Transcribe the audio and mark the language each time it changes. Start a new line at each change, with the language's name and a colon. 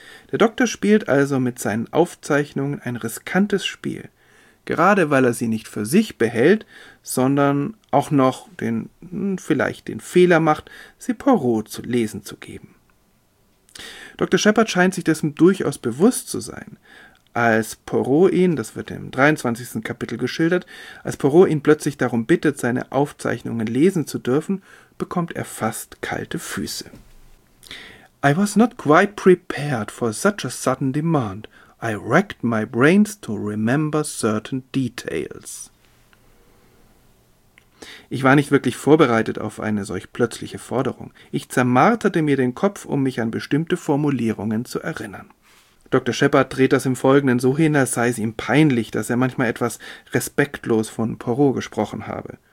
German: Der Doktor spielt also mit seinen Aufzeichnungen ein riskantes Spiel, gerade weil er sie nicht für sich behält, sondern auch noch vielleicht den Fehler macht, sie Poirot zu lesen zu geben. Dr. Shepard scheint sich dessen durchaus bewusst zu sein. Als Poirot ihn, das wird im 23. Kapitel geschildert, als Poirot ihn plötzlich darum bittet, seine Aufzeichnungen lesen zu dürfen, bekommt er fast kalte Füße.
English: »I was not quite prepared for such a sudden demand. I racked my brains to remember certain details.«
German: Ich war nicht wirklich vorbereitet auf eine solch plötzliche Forderung. Ich zermarterte mir den Kopf, um mich an bestimmte Formulierungen zu erinnern. Dr. Shepard dreht das im Folgenden so hin, als sei es ihm peinlich, dass er manchmal etwas respektlos von Poirot gesprochen habe.